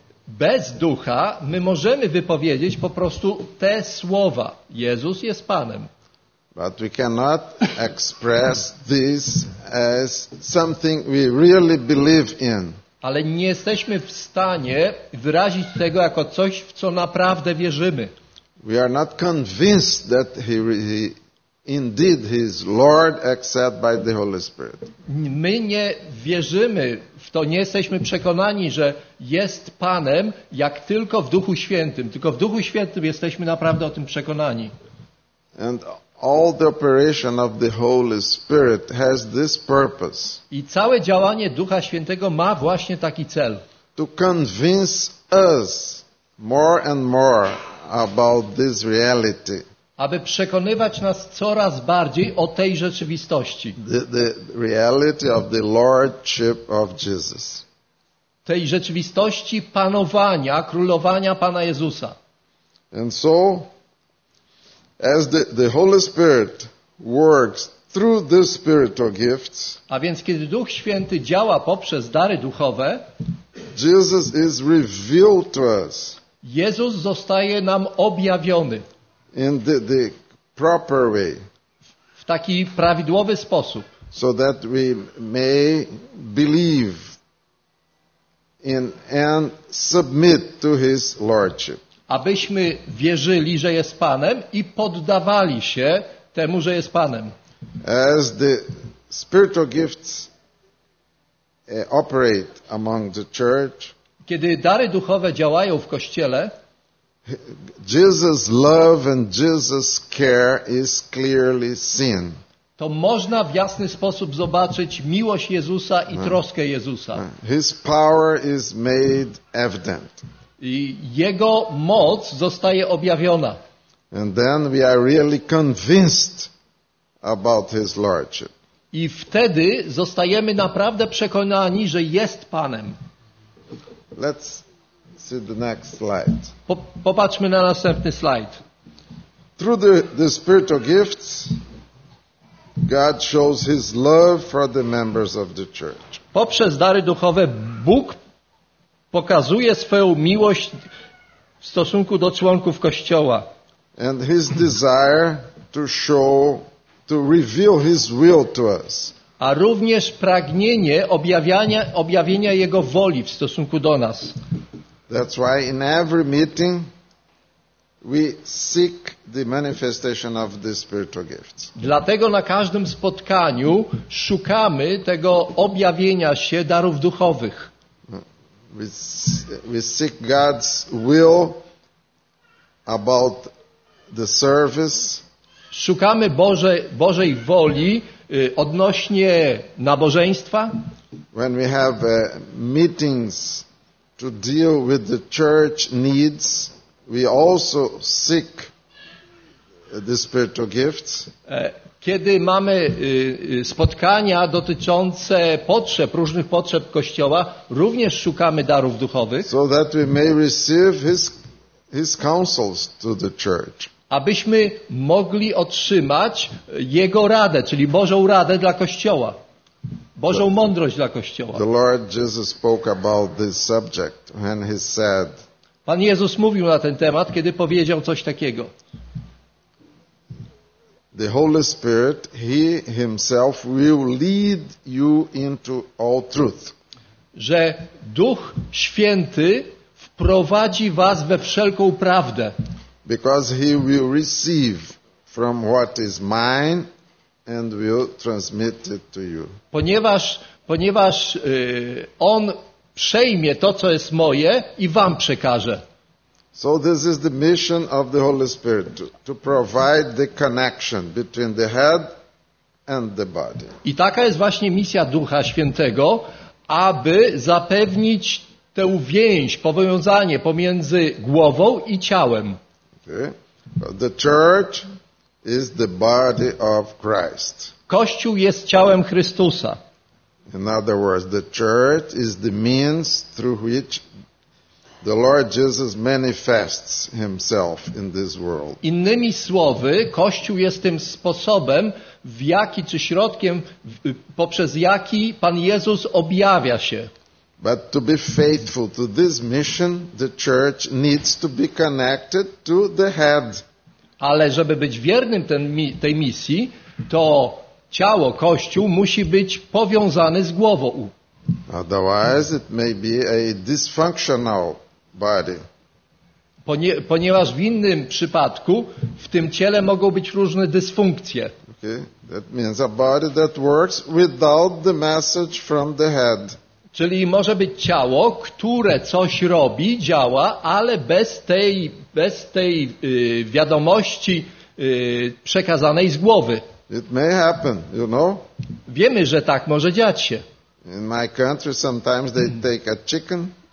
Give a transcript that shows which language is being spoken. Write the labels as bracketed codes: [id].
[pl] Bez Ducha my możemy wypowiedzieć po prostu te słowa, Jezus jest Panem. [en] But we cannot express this as something we really believe in. [pl] Ale nie jesteśmy w stanie wyrazić tego jako coś, w co naprawdę wierzymy. [en] We are not convinced that he indeed he is Lord except by the Holy Spirit. [pl] My nie wierzymy w to, nie jesteśmy przekonani, że jest Panem jak tylko w Duchu Świętym. Tylko w Duchu Świętym jesteśmy naprawdę o tym przekonani. [en] And all the operation of the Holy Spirit has this purpose. [pl] I całe działanie Ducha Świętego ma właśnie taki cel. [en] To convince us more and more about this reality. [pl] Aby przekonywać nas coraz bardziej o tej rzeczywistości. [en] The reality of the Lordship of Jesus. [pl] Tej rzeczywistości panowania, królowania Pana Jezusa. [en] And so as the Holy Spirit works through the spiritual gifts, [pl] a więc kiedy Duch Święty działa poprzez dary duchowe, [en] Jesus is revealed to us. [pl] Jezus zostaje nam objawiony [en] in the proper way. [pl] W taki prawidłowy sposób. [en] So that we may believe in and submit to his lordship. [pl] Abyśmy wierzyli, że jest Panem i poddawali się temu, że jest Panem. [en] As the spiritual gifts operate among the church, [pl] kiedy dary duchowe działają w Kościele, [en] Jesus' love and Jesus' care is clearly seen. [pl] To można w jasny sposób zobaczyć miłość Jezusa i troskę Jezusa. [en] His power is made evident. [pl] I jego moc zostaje objawiona. [en] And then we are really convinced about his lordship. [pl] I wtedy zostajemy naprawdę przekonani, że jest Panem. [en] Let's see the next slide. [pl] Popatrzmy na następny slajd. [en] Through the spiritual gifts, God shows his love for the members of the church. [pl] Poprzez dary duchowe Bóg pokazuje swoją miłość w stosunku do członków Kościoła. [en] And his desire to show, to reveal his will to us. [pl] A również pragnienie objawienia jego woli w stosunku do nas. [en] That's why in every meeting we seek the manifestation of the spiritual gifts. [pl] Dlatego na każdym spotkaniu szukamy tego objawienia się darów duchowych. [en] We seek God's will about the service. [pl] Szukamy Bożej woli odnośnie nabożeństwa. [en] When we have meetings to deal with the church needs, we also seek the spiritual gifts. [pl] Kiedy mamy spotkania dotyczące potrzeb, różnych potrzeb Kościoła, również szukamy darów duchowych. [en] So that we may receive his counsels to the church. [pl] Abyśmy mogli otrzymać Jego radę, czyli Bożą radę dla Kościoła. Bożą mądrość dla Kościoła. [en] The Lord Jesus spoke about this subject when he said, [pl] Pan Jezus mówił na ten temat, kiedy powiedział coś takiego. [en] The Holy Spirit, he himself will lead you into all truth. [pl] Że Duch Święty wprowadzi was we wszelką prawdę. [en] Because he will receive from what is mine and will transmit it to you. [pl] Ponieważ on przejmie to, co jest moje i wam przekaże. [en] So this is the mission of the Holy Spirit, to provide the connection between the head and the body. [pl] I taka jest właśnie misja Ducha Świętego, aby zapewnić tę więź, powiązanie pomiędzy głową i ciałem. [en] Okay. The church is the body of Christ. [pl] Kościół jest ciałem Chrystusa. [en] In other words, the church is the means through which the Lord Jesus manifests himself in this world. [pl] Innymi słowy, Kościół jest tym sposobem, w jaki czy środkiem, poprzez jaki Pan Jezus objawia się. [en] But to be faithful to this mission, the church needs to be connected to the head. [pl] Ale żeby być wiernym tej misji, to ciało, Kościół musi być powiązane z głową. [en] Otherwise it may be a dysfunctional body. [pl] Ponieważ w innym przypadku w tym ciele mogą być różne dysfunkcje. [en] Okay. That means a body that works without the message from the head. [pl] Czyli może być ciało, które coś robi, działa, ale bez tej wiadomości przekazanej z głowy. [en] It may happen, you know? [pl] Wiemy, że tak może dziać się. [en] In my country sometimes they take a chicken.